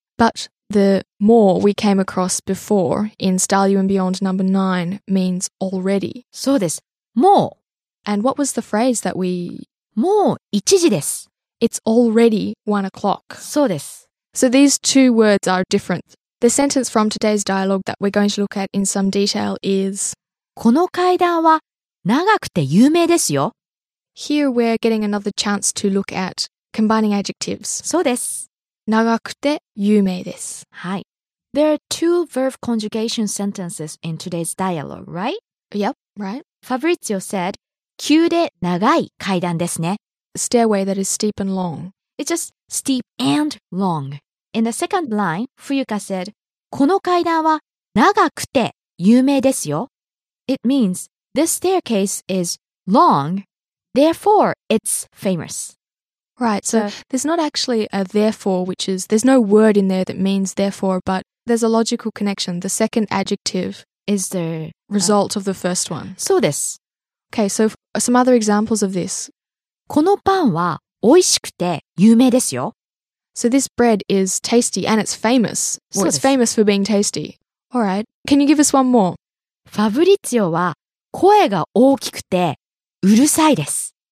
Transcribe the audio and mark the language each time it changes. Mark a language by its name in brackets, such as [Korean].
[English] But the more we came across before in Style You and Beyond number 9 means already. [Japanese] そうです。もう。 [English] And what was the phrase that we... [Japanese] もう一時です。 [English] It's already 1 o'clock. [Japanese] そうです。 [English] So these two words are different. The sentence from today's dialogue that we're going to look at in some detail is [Japanese] この階段は長くて有名ですよ。 [English] Here we're getting another chance to look at combining adjectives. [Japanese] そうです。長くて有名です。はい。 [English] There are two verb conjugation sentences in today's dialogue, right? Yep, right. Fabrizio said, [Japanese] 急で長い階段ですね。 [English] Stairway that is steep and long. It's just steep and long. In the second line, Fuyuka said, [Japanese] この階段は長くて有名ですよ。 [English] It means, this staircase is long, therefore it's famous. Right, so there's not actually a therefore, which is, there's no word in there that means therefore, but there's a logical connection. The second adjective is the result of the first one. [Japanese] そうです。 [English] Okay, so some other examples of this. [Japanese] このパンは美味しくて有名ですよ。 [English] So this bread is tasty and it's famous. So it's famous for being tasty. All right. Can you give us one more? [Japanese] ファブリツィオは声が大きくてうるさいです。